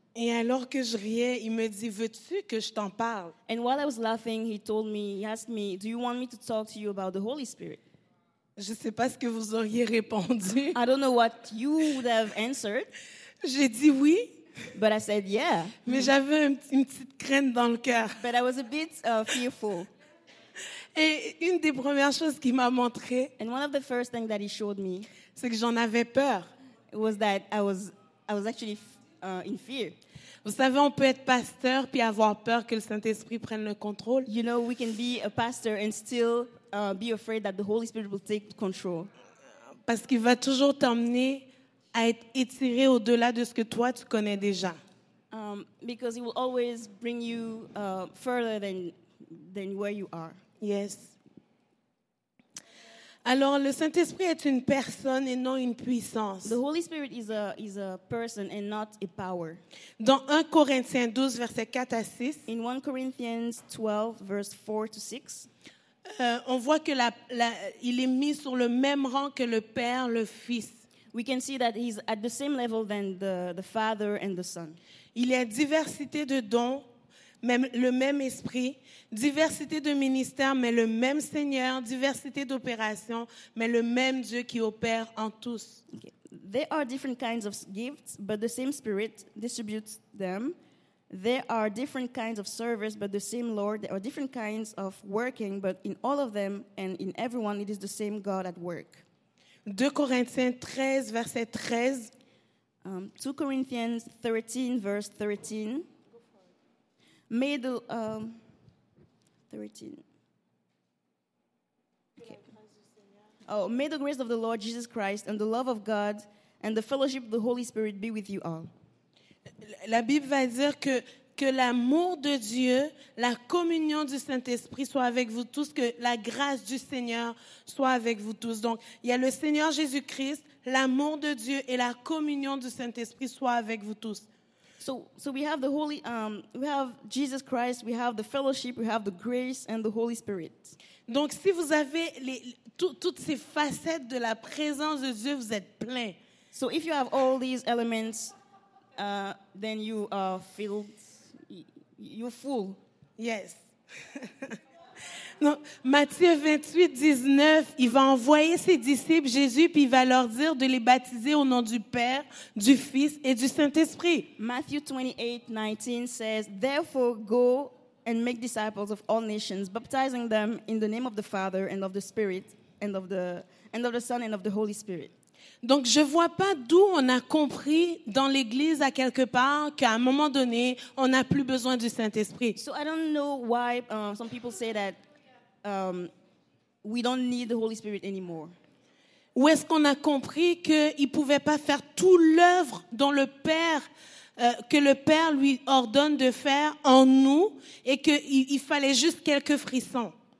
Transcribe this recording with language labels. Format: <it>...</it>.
<fr>Et alors que je riais, il me dit, veux-tu que je t'en parle?</fr> <en>And while I was laughing, he told me, he asked me, do you want me to talk to you about the Holy Spirit?</en> <fr>Je ne sais pas ce que vous auriez répondu.</fr> <en>I don't know what you would have answered.</en> <fr>J'ai dit oui.</fr> <en>But I said yeah.</en> <fr>Mais j'avais une petite crainte dans le cœur.</fr> <en>But I was a bit fearful.</en> <fr>Et une des premières choses qu'il m'a montré.</fr> <en>And one of the first things that he showed me.</en> <fr>C'est que j'en avais peur.</fr> <en>It was that I was actually in fear.</en> <fr>Vous savez, on peut être pasteur puis avoir peur que le Saint-Esprit prenne le contrôle.</fr> <en>You know, we can be a pastor and still be afraid that the Holy Spirit will take control.</en> <fr>Parce qu'il va toujours t'emmener à être étiré au-delà de ce que toi tu connais déjà.</fr> <en>Because he will always bring you further than where you are. Yes.</en> <fr>Alors, le Saint-Esprit est une personne et non une puissance.</fr> <en>The Holy Spirit is a person and not a power.</en> <fr>Dans 1 Corinthiens 12, versets 4 à 6.</fr> <en>In 1 Corinthians 12, verse 4 to 6.</en> <fr>On voit que il est mis sur le même rang que le Père, le Fils.</fr> <en>We can see that he's at the same level than the Father and the Son.</en> <fr>Il y a diversité de dons, même le même esprit, diversité de ministères, mais le même Seigneur, diversité d'opérations, mais le même Dieu qui opère en tous.</fr> <en>Okay. There are different kinds of gifts, but the same Spirit distributes them. There are different kinds of service, but the same Lord. There are different kinds of working, but in all of them and in everyone, it is the same God at work.</en> <fr>2 Corinthiens 13, verset 13.</fr> <en>2 Corinthians 13, verse 13. May the 13. Okay. Oh, may the grace of the Lord Jesus Christ and the love of God and the fellowship of the Holy Spirit be with you all.</en> <fr>La Bible va dire que l'amour de Dieu, la communion du Saint-Esprit soit avec vous tous, que la grâce du Seigneur soit avec vous tous. Donc, il y a le Seigneur Jésus-Christ, l'amour de Dieu et la communion du Saint-Esprit soit avec vous tous.</fr> <en>So we have the Holy, we have Jesus Christ, we have the fellowship, we have the grace and the Holy Spirit.</en> <fr>Donc, si vous avez toutes ces facettes de la présence de Dieu, vous êtes plein.</fr> <en>So if you have all these elements, then you are filled, you're full. Yes.</en> <fr>Donc, Matthieu 28, 19, il va envoyer ses disciples, Jésus, puis il va leur dire de les baptiser au nom du Père, du Fils et du Saint-Esprit.</fr> <en>Matthew 28, 19 says, therefore go and make disciples of all nations, baptizing them in the name of the Father and of the Spirit and of the Son and of the Holy Spirit.</en> <fr>Donc, je ne vois pas d'où on a compris dans l'Église à quelque part qu'à un moment donné, on n'a plus besoin du Saint-Esprit.</fr> <en>So I don't know why some people say that we don't need the Holy Spirit anymore.</en> <fr>Où est-ce qu'on a compris qu'il ne pouvait pas faire tout l'œuvre dont le Père, que le Père lui ordonne de faire en nous et qu'il fallait juste quelques frissons?</fr>